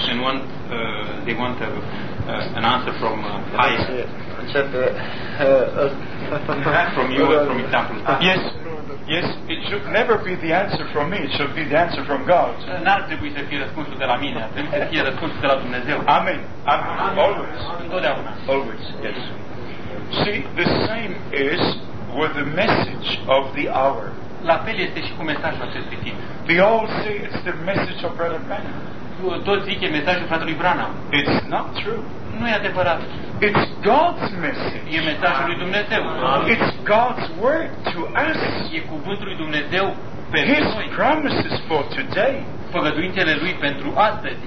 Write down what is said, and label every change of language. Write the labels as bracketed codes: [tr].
[en] And they want an answer from from you or from example. Yes. Yes, it should never be the answer from me, it should be the answer from God. [ro] N-ar trebui să fie răspunsul de la mine, ar trebui să fie răspunsul de la Dumnezeu. [en] Amen. Amen. Amen. Always. [ro] Întotdeauna. [en] Always, yes. See, the same is with the message of the hour. [ro] La fel este și cu mesajul acestui timp. [en] They all say it's the message of Brother Branham. [ro] Toți zic e mesajul fratelui Branham. [en] It's not true. [ro] Nu e adevărat. [en] It's God's message. [ro] E mesajul lui Dumnezeu. [en] It's God's word to us. [ro] E cuvântul lui Dumnezeu pentru [en] His [ro] noi. [en] His promises for today. [ro] Făgăduințele lui pentru astăzi.